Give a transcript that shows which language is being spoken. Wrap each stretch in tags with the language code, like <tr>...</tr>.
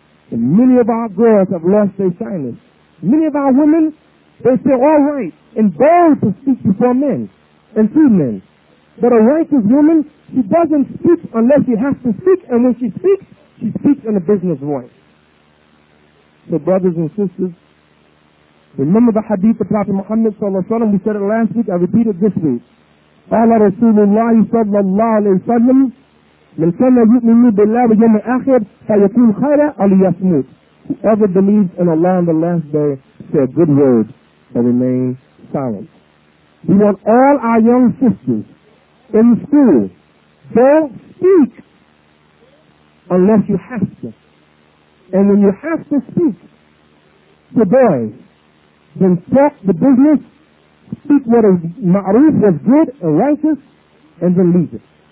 <en>And many of our girls have lost their shyness. Many of our women, they say, all right, and bold to speak before men and to men. But a righteous woman, she doesn't speak unless she has to speak, and when she speaks in a business voice. So brothers and sisters, remember the hadith of Prophet Muhammad sallallahu alaihi wasallam. We said it last week, I repeat it this week.</en> <ar>قال رسول الله صلى الله عليه وسلم من كان يؤمن بالله واليوم الآخر فيكون خيرا أو يصمت.</ar> <en>Whoever believes in Allah on the last day, say a good word and remain silent. We want all our young sisters in school, don't speak unless you have to. And when you have to speak to boys, then talk the business, speak what is ma'ruf, what's good and righteous, and then leave it.</en>